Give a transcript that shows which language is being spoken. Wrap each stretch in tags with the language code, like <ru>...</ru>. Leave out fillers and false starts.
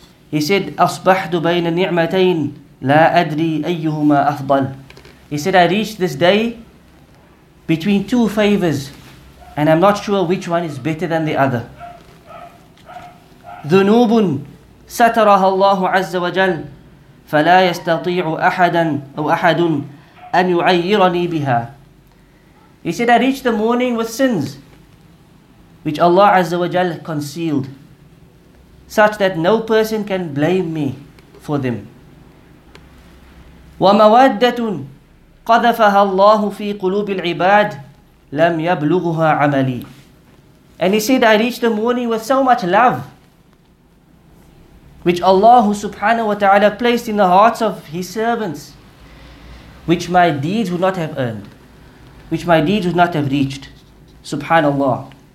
<en>He said,</en> <ar>أَصْبَحْتُ بَيْنَ نِعْمَتَيْنِ لا أدري أيهما أفضل.</ar> <en>He said, I reached this day between two favors and I'm not sure which one is better than the other.</en> <ar>ذنوب سترها الله عز وجل فلا يستطيع أحدا أو أحد أن يعيرني بها.</ar> <en>He said, I reached the morning with sins which Allah عز وجل concealed such that no person can blame me for them.</en> <ar>ومودة قذفها الله في قلوب العباد لم يبلغها عملي.</ar> <en>And he said, I reached the morning with so much love which Allah subhanahu wa ta'ala placed in the hearts of his servants, which my deeds would not have earned, which my deeds would not have reached. Subhanallah.</en>